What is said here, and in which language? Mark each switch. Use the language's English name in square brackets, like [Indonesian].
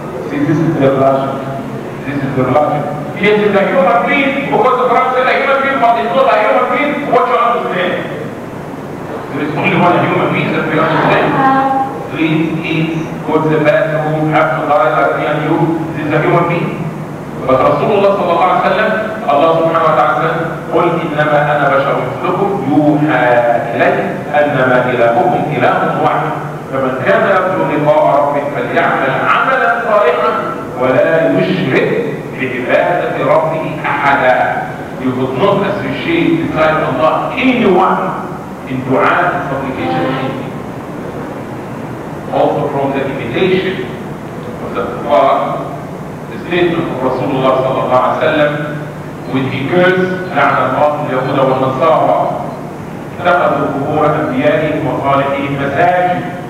[English] See, this is their logic. This is their logic. Yes, it's a human being, because the Prophet said a human being, but it's not a human being. What you understand? There is only one human being that we understand. Please eat, go to the bathroom, have to die like me and you. This is a human being. [Arabic] But Rasulullah صلى الله عليه وسلم, Allah سبحانه وتعالى said, قل إنما أنا بشر مثلكم يوحى إلي أنما إلهكم إله واحد فمن كان يرجو لقاء ربه فليعمل عملا صالحا ولا يشرك بعبادة ربه أحدا. [English] You could not associate beside Allah anyone in dua and supplication of him. Also from the imitation of the kuffar, statement of Rasulullah صلى الله عليه وسلم when he cursed [Arabic] لعن الله اليهود والنصارى اتخذوا قبور انبيائهم وصالحهم مساجد.